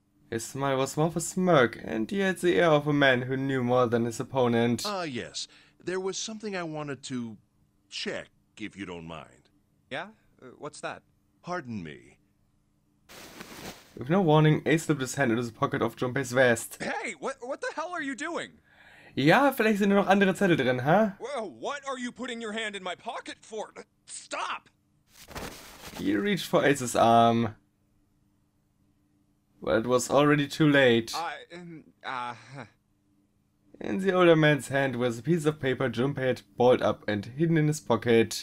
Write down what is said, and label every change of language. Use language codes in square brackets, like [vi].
[en] His smile was more of a smirk, and he had the air of a man who knew more than his opponent. Yes. There was something I wanted to check, if you don't mind. Yeah? What's that? Pardon me. With no warning, Ace slipped his hand into the pocket of Junpei's vest. Hey, what the hell are you doing? [de] Ja, vielleicht sind da noch andere Zettel drin, hä? [en] Huh? Well, what are you putting your hand in my pocket for? Stop! He reached for Ace's arm. But it was already too late. In the older man's hand was a piece of paper Junpei had balled up and hidden in his pocket.